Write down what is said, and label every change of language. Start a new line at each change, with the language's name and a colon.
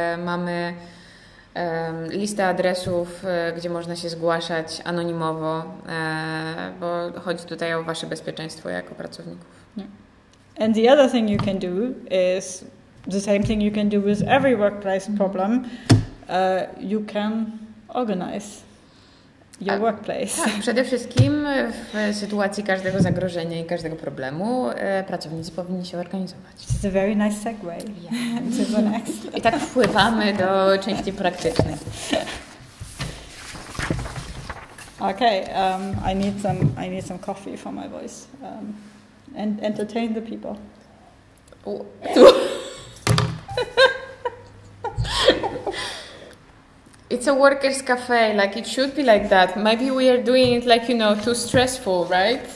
Polish: Mamy listę adresów, gdzie można się zgłaszać anonimowo, bo chodzi tutaj o wasze bezpieczeństwo jako pracowników.
English: And the other thing you can do is the same thing you can do with every workplace problem. You can organize your workplace.
Polish: Tak, przede wszystkim w sytuacji każdego zagrożenia i każdego problemu pracownicy powinni się organizować.
English: It's a very nice segue. Yeah. To the next.
Polish: I tak wpływamy do części praktycznej.
English: Okay, I need some coffee for my voice. And entertain the people. Oh. it's a workers' cafe, like it should be like that. Maybe we are doing it like, you know, too stressful, right?